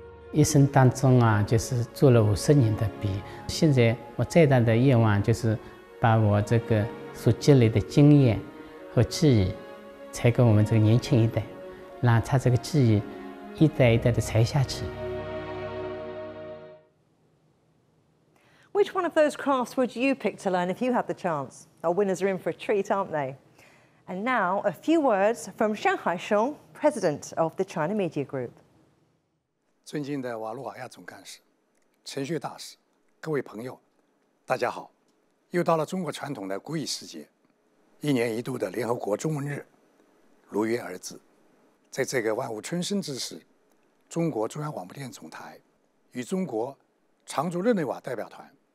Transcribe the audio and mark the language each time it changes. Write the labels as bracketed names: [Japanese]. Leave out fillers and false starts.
[Chinese] 一生当中啊，就是做了50年的笔，现在我最大的愿望就是把我这个所积累的经验和记忆才给我们这个年轻一代，让他这个记忆一代一代的传下去。 [English] Which one of those crafts would you pick to learn if you had the chance? Our winners are in for a treat, aren't they? And now, a few words from Xiang Haisheng, President of the China Media Group. [Chinese] 尊敬的瓦卢瓦亚总干事、程序大使、各位朋友，大家好，又到了中国传统的古艺时节，一年一度的联合国中文日如约而至，在这个万物春生之时，中国中央广播电总台与中国常驻日内瓦代表团、